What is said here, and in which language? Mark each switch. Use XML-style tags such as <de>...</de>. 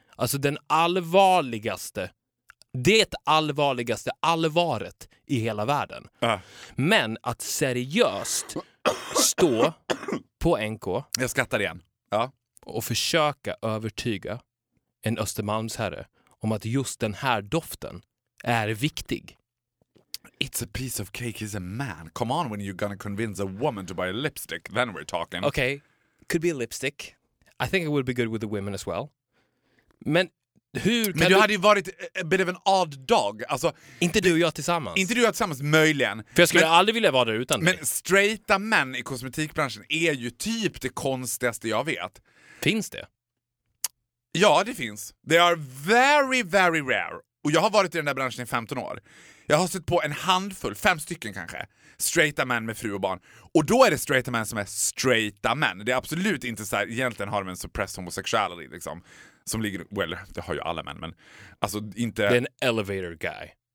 <sv>Alltså den allvarligaste, det allvarligaste allvaret i hela världen. Men att seriöst stå på NK, jag skrattar igen, och försöka övertyga en Östermalmsherre om att just den här doften är viktig.</sv> <en>It's a piece of cake, he's a man. Come on, when you're gonna convince a woman to buy a lipstick, then we're talking. Okay, could be a lipstick. I think it would be good with the women as well.</en> <sv>Men hur kan Men du hade ju varit</sv> <en>a bit of an odd dog.</en> <sv>Alltså, inte du och jag tillsammans. Inte du och jag tillsammans, möjligen. För jag skulle aldrig vilja vara där utan dig. Men straighta män i kosmetikbranschen är ju typ det konstigaste jag vet. Finns det? Ja, det finns.</sv> <en>They are very, very rare.</en> <sv>Och jag har varit i den där branschen i 15 år. Jag har sett på en handfull, 5 stycken kanske, straighta män med fru och barn. Och då är det straighta män som är straighta män. Det är absolut inte så här, egentligen har de en</sv> <en>suppressed homosexuality</en> <sv>liksom. Som ligger, well, det har ju alla män, men alltså inte... Det är en</sv> <en>elevator guy.</en>